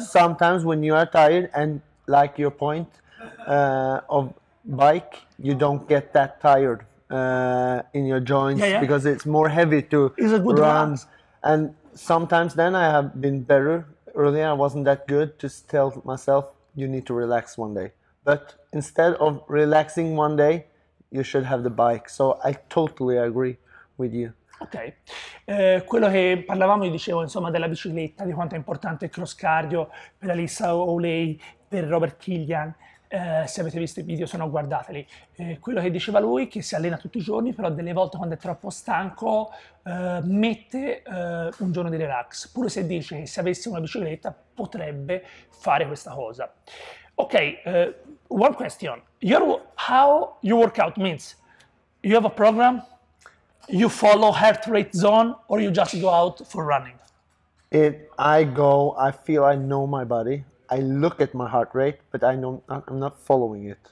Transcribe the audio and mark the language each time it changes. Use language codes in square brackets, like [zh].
[en] Sometimes when you are tired and like your point of bike, you don't get that tired in your joints, because it's more heavy to run. And sometimes then I have been better. Earlier I wasn't that good to tell myself you need to relax one day, but instead of relaxing one day you should have the bike. So I totally agree with you. [it] Okay, quello che parlavamo, io dicevo insomma della bicicletta, di quanto è importante il cross cardio per Alyssa Hawley, per Robert Killian. Se avete visto i video, se no guardateli. Quello che diceva lui, che si allena tutti i giorni, però delle volte quando è troppo stanco mette un giorno di relax, pure se dice che se avesse una bicicletta potrebbe fare questa cosa. [en] Ok, one question. How you work out means you have a program, you follow heart rate zone, or you just go out for running? I feel I know my body. I look at my heart rate, but I'm not following it.